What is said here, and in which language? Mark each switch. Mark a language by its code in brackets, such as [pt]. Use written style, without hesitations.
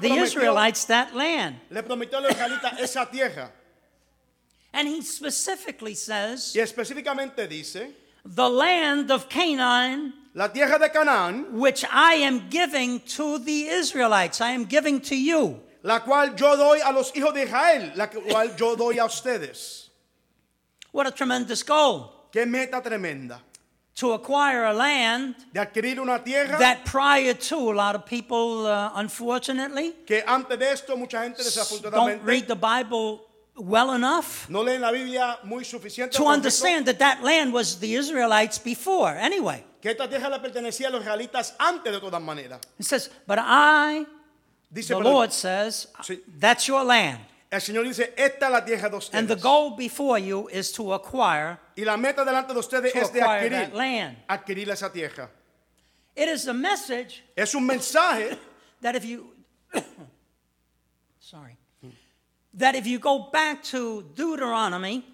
[en] the Israelites that land. [es] Le prometió a los israelitas esa tierra. [en] And he specifically says, [es] y específicamente dice, [en] the land of Canaan, [es] la tierra de Canaán, [en] which I am giving to the Israelites, I am giving to you. [es] La cual yo doy a los hijos de Israel, la cual yo doy a ustedes. [en] What a tremendous goal. [es] Qué meta tremenda. [en] To acquire a land. [es] De adquirir una tierra. [en] That prior to a lot of people, unfortunately. [es] Que antes de esto mucha gente desafortunadamente. [en] Don't read the Bible well enough. [es] No leen la Biblia muy suficiente. [en] To understand that land was the Israelites before, anyway. [es] Que esta tierra le pertenecía a los israelitas antes de todas maneras. [en] It says, but I. [es] Dice, [en] the Lord says, that's your land. [es] El Señor dice, esta es la tierra de ustedes. [en] And the goal before you is to acquire, [es] y la meta delante de ustedes [en] to [es] es [en] acquire [es] de adquirir, [en] that land. [es] Adquirir esa tierra. [en] It is a message, [es] es un mensaje, [en] that if you sorry, that if you go back to Deuteronomy,